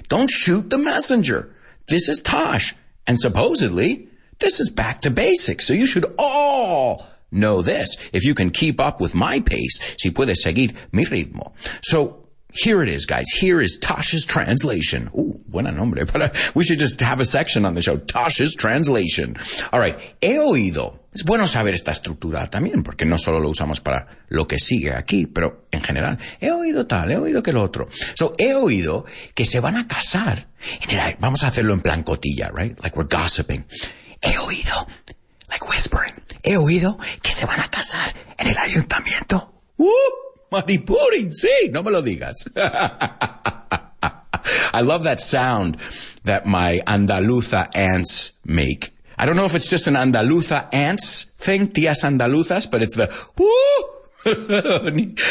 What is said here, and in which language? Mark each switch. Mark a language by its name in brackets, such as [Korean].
[English] Don't shoot the messenger. This is Tosh, and supposedly, this is Back to Basics. So you should all know this. If you can keep up with my pace, [Spanish] si puedes seguir mi ritmo. [English] So here it is, guys. Here is Tosh's translation. Ooh, [Spanish] buen nombre. [English] But we should just have a section on the show. Tosh's translation. All right. [Spanish] He oído. Es bueno saber esta estructura también, porque no solo lo usamos para lo que sigue aquí, pero en general. He oído tal, he oído que lo otro. So he oído que se van a casar. Vamos a hacerlo en plan cotilla, [English] right? Like we're gossiping. [Spanish] He oído. [English] Like whispering. [Spanish] He oído que se van a casar en el ayuntamiento. Maripurin, sí, no me lo digas. [English] I love that sound that my Andaluza aunts make. I don't know if it's just an Andaluza aunts thing, [Spanish] tías andaluzas, [English] but it's the woo.